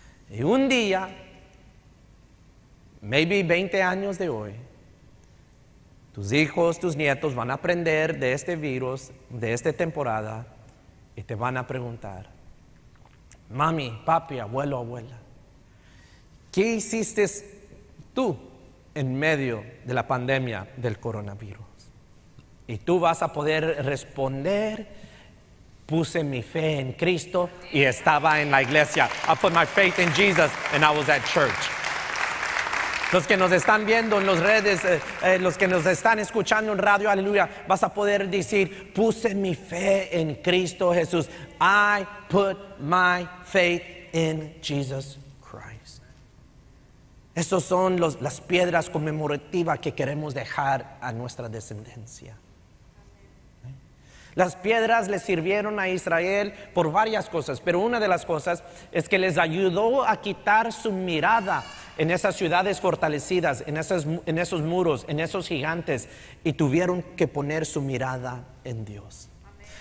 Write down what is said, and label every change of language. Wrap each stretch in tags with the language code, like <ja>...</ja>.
<es>Y un día, maybe 20 años de hoy, tus hijos, tus nietos van a aprender de este virus, de esta temporada, y te van a preguntar, mami, papi, abuelo, abuela, ¿qué hiciste tú en medio de la pandemia del coronavirus? Y tú vas a poder responder, puse mi fe en Cristo y estaba en la iglesia.</es> <en>I put my faith in Jesus and I was at church.</en> <es>Los que nos están viendo en las redes, los que nos están escuchando en radio, aleluya, vas a poder decir, puse mi fe en Cristo Jesús.</es> <en>I put my faith in Jesus Christ.</en> <es>Esas son las piedras conmemorativas que queremos dejar a nuestra descendencia. Las piedras le sirvieron a Israel por varias cosas, pero una de las cosas es que les ayudó a quitar su mirada en esas ciudades fortalecidas, en esos muros, en esos gigantes, y tuvieron que poner su mirada en Dios. Amén.</es>